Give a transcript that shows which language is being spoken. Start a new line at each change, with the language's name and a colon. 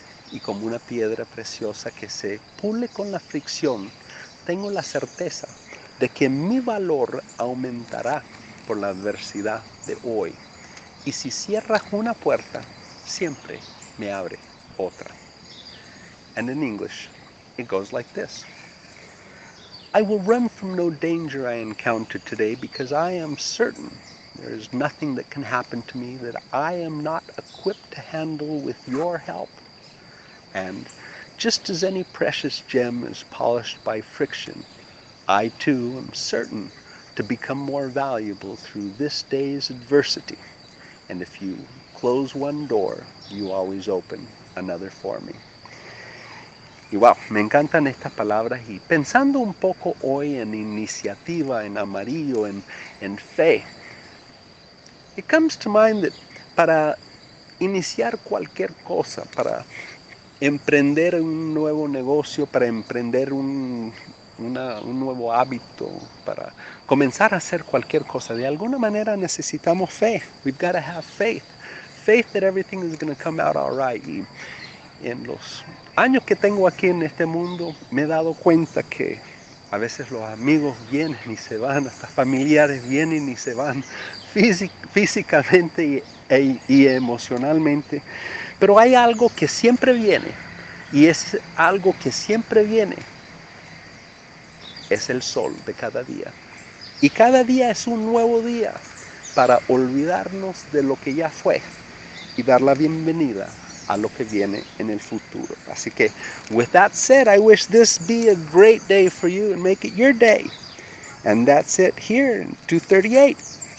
Spanish: Y como una piedra preciosa que se pule con la fricción, tengo la certeza de que mi valor aumentará por la adversidad de hoy. Y si cierras una puerta, siempre me abre otra.
English: And in English, it goes like this. I will run from no danger I encounter today because I am certain there is nothing that can happen to me that I am not equipped to handle with your help. And just as any precious gem is polished by friction, I too am certain to become more valuable through this day's adversity. And if you close one door, you always open another for me.
Spanish: Y wow, me encantan estas palabras. Y pensando un poco hoy en iniciativa, en amarillo, en fe,
English: it comes to mind that
Spanish: para iniciar cualquier cosa, para emprender un nuevo negocio, para emprender un nuevo hábito, para comenzar a hacer cualquier cosa, de alguna manera necesitamos fe.
English: We've got to have faith. Faith that everything is going to come out all right.
Spanish: Y en los años que tengo aquí en este mundo, me he dado cuenta que a veces los amigos vienen y se van, hasta familiares vienen y se van físicamente y emocionalmente. Pero hay algo que siempre viene, y es algo que siempre viene, es el sol de cada día. Y cada día es un nuevo día para olvidarnos de lo que ya fue y dar la bienvenida a lo que viene en el futuro. Así que,
English: with that said, I wish this be a great day for you and make it your day. And that's it here in 238.